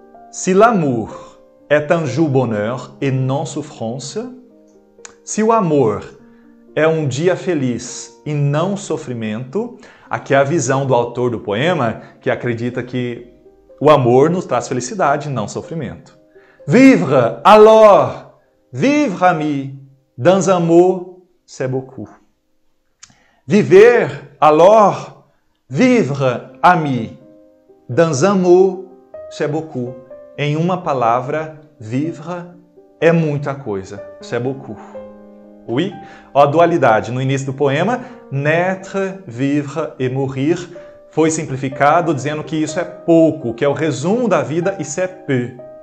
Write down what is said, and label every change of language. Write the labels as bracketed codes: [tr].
[fr] Si l'amour est un jour bonheur et non souffrance, [pt] si o amor é um dia feliz e não sofrimento, aqui é a visão do autor do poema que acredita que o amor nos traz felicidade e não sofrimento. [fr] Vivre, alors, vivre, ami, dans un mot, c'est beaucoup. Viver, alors, vivre, ami, dans un mot, c'est beaucoup. [pt] Em uma palavra, vivre é muita coisa. [fr] C'est beaucoup. Oui? [pt] Ó, a dualidade. No início do poema, [fr] naître, vivre et mourir [pt] foi simplificado dizendo que isso é pouco, que é o resumo da vida e [fr] c'est peu.